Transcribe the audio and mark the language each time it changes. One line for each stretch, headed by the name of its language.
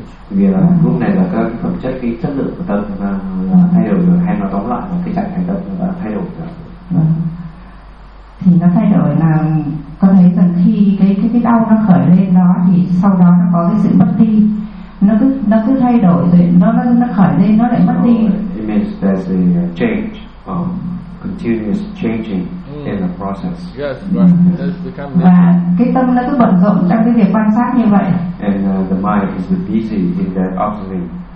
Vietnamese: Vì là lúc này là các phẩm chất, cái chất lượng của tâm chúng ta thay đổi được, hay nó tóm lại là cái trạng thái tâm chúng ta thay đổi được. Thì nó thay đổi là có thấy rằng khi cái đau nó khởi lên đó thì sau đó nó có cái sự mất đi. Nó cứ thay đổi rồi nó khởi lên nó lại mất đi.
English: It means there's a change, continuous changing in the process. Yes, right.
Vietnamese: Và cái tâm nó cứ bận rộn trong cái việc quan sát như vậy.
English: And the mind is busy in that observing.